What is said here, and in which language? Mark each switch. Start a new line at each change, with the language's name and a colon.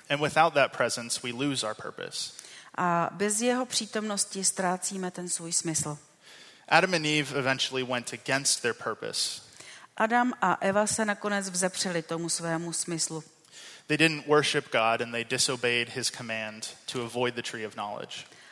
English: And without that presence, we lose our purpose.
Czech: A bez jeho přítomnosti ztrácíme ten svůj smysl.
English: Adam and Eve eventually went against their purpose.
Czech: Adam a Eva se nakonec vzepřeli tomu svému smyslu.
English: They didn't worship God and they disobeyed his command to avoid the tree of knowledge.